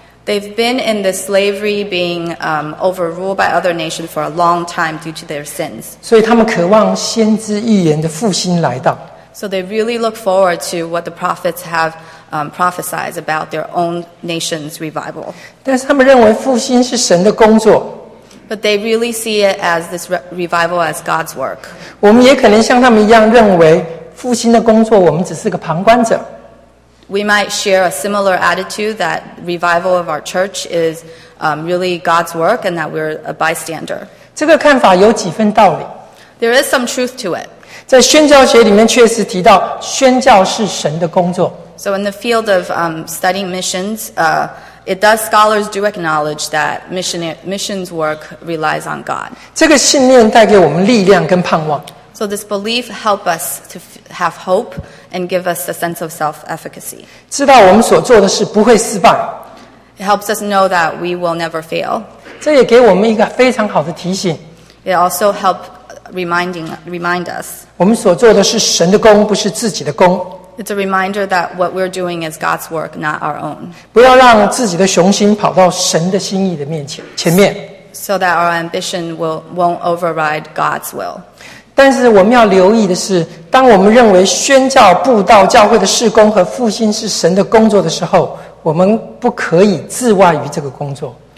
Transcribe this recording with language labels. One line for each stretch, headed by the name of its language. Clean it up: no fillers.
English: They've been in the slavery being overruled by other nations for a long time due to their sins.
Chinese: 所以他们渴望先知预言的复兴来到。
English: So they really look forward to what the prophets have prophesied about their own nation's revival.
Chinese: 但是他们认为复兴是神的工作。
English: But they really see it as this revival as God's work.
Chinese: 我们也可能像他们一样认为复兴的工作我们只是个旁观者。
English: We might share a similar attitude that revival of our church is really God's work and that we're a bystander.
Chinese: 这个看法有几分道理。
English: There is some truth to it.
Chinese: 在宣教学里面确实提到宣教是神的工作。
English: So in the field of studying missions, It does scholars do acknowledge that missions work relies on God.
Chinese: 这个信念带给我们力量跟盼望。
English: So this belief helps us to have hope and give us a sense of self-efficacy.
Chinese: 知道我们所做的事不会失败。
English: It helps us know that we will never fail.
Chinese: 这也给我们一个非常好的提醒。
English: It also helps remind us.
Chinese: 我们所做的是神的工，不是自己的工。
English: It's a reminder that what we're doing is God's work, not our own.
Chinese: 不要让自己的雄心跑到神的心意的面前。
English: So that our ambition won't override God's will.
Chinese: 但是我们要留意的是, 当我们认为宣教、布道、教会的事工和复兴是神的工作的时候, 我们不可以置外于这个工作。